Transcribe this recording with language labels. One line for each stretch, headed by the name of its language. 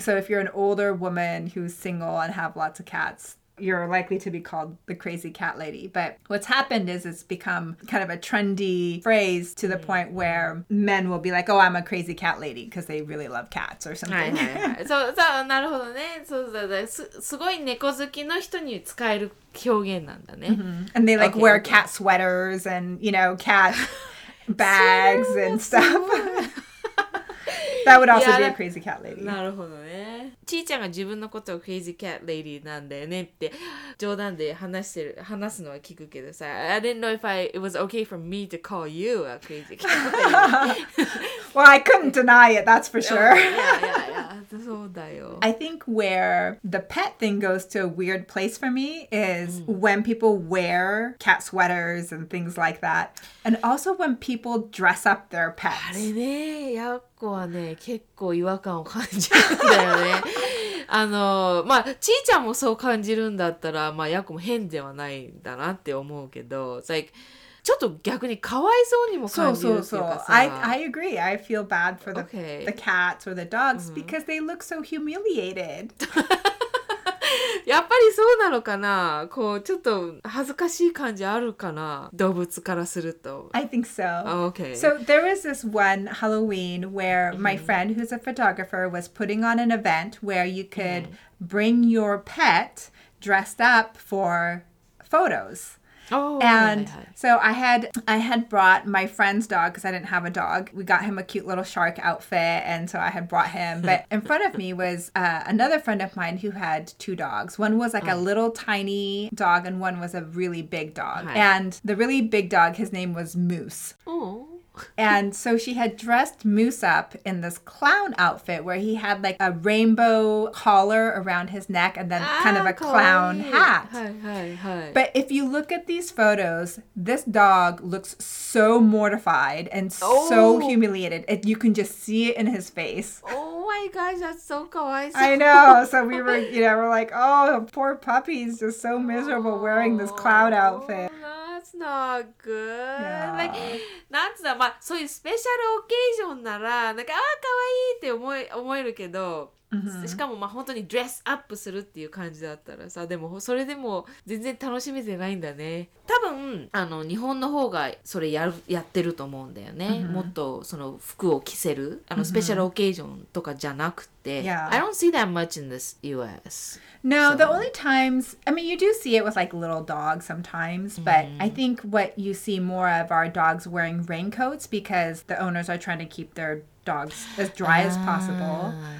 English: So if you're an older woman who's single and have lots of cats, you're likely to be called the crazy cat lady. But what's happened is it's become kind of a trendy phrase to the point where men will be like, oh, I'm a crazy cat lady because they really love cats or something.
Japanese: そう、なるほどね。すごい猫好きの人に使える表現なんだね。
English: And they like wear cat sweaters and, you know, cat bags and stuff. That would also be a crazy cat lady.
Japanese: なるほどね。ちーちゃんが自分のことをクレイジーキャットレディなんだよねって冗談で話すのは聞くけどさ、
English: I didn't know if it was okay for me to call you a crazy cat lady. Well, I couldn't deny it, that's for sure.
Japanese: そうだよ。
English: I think where the pet thing goes to a weird place for me is when people wear cat sweaters and things like that, and also when people dress up their pets.
Japanese: あれね、やっこはね、結構違和感を感じるんだよね。あのまあちーちゃんもそう感じるんだったら、まあやっこも変ではないんだなって思うけど、like、ちょっと逆にかわいそうにも感じるっていうかさ。
English: I agree. I feel bad for the,、okay. the cats or the dogs because they look so humiliated.
Japanese: やっぱりそうなのかな。こうちょっと恥ずかしい感じあるかな、動物からすると。
English: I think so. Okay. So there was this one Halloween where my friend who's a photographer was putting on an event where you could bring your pet dressed up for photos. Oh, and so I had brought my friend's dog because I didn't have a dog. We got him a cute little shark outfit, and so I had brought him. But in front of me was another friend of mine who had two dogs. One was like a little tiny dog, and one was a really big dog. Hi. And the really big dog, his name was Moose. Oh. And so she had dressed Moose up in this clown outfit where he had like a rainbow collar around his neck and then kind of a clown hat. Hi, hi, hi. But if you look at these photos, this dog looks so mortified and so humiliated. And you can just see it in his face. Oh my gosh, that's so kawaii. I know. So we were, you know, we're like, oh, poor puppy. He's just so miserable wearing this clown outfit. That's not good. Yeah.
Japanese: Like, なんつうの、まあ、そういうスペシャルオケーションなら、なんか、ああ、かわいいって思えるけど、 mm-hmm. しかも、まあ、本当にドレスアップするっていう感じだったらさ、でも、それでも全然楽しめてないんだね。多分、あの、日本の方がそれやってると思うんだよね。 Mm-hmm. もっと、その服を着せる、あの、スペシャルオケーションとかじゃなくて、 mm-hmm.
English: I don't see that much in this US. No, so. The only times, I mean, you do see it with like little dogs sometimes, but I think what you see more of are dogs wearing raincoats because the owners are trying to keep their dogs as dry as possible.